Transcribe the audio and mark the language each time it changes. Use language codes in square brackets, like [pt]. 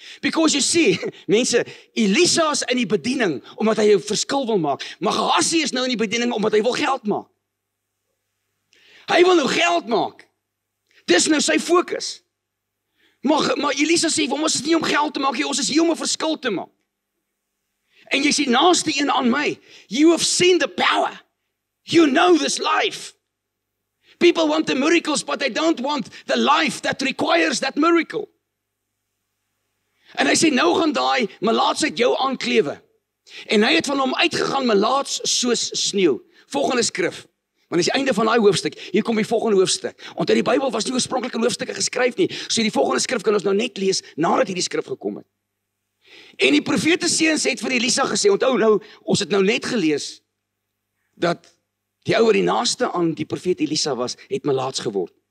[en] Because you see, [af] mense, Elisa is in die bediening, omdat hy jou verskil wil maak, maar Gehasi is nou in die bediening, omdat hy wil geld maak. Hy wil nou geld maak. Dis nou sy fokus. Maar Elisa sê, ons is nie om geld te maak, ons is hier om 'n verskil te maak. En jy sê, naaste een aan my, [en] you have seen the power. You know this life. People want the miracles, but they don't want the life that requires that miracle. [af] En hy sê, nou gaan daai melaats uit jou aanklewe. En hy het van hom uitgegaan melaats soos sneeu. Volgende skrif. Want is die einde van daai hoofstuk. Hier kom die volgende hoofstuk. Want in die Bybel was nie oorspronklike hoofstukke geskryf nie. So die volgende skrif kan ons nou net lees nadat hierdie skrif gekom het. En die profete seuns het vir Elisa gesê, onthou nou, ons het nou net gelees dat die ou wat die naaste aan die profeet Elisa was, het melaats geword.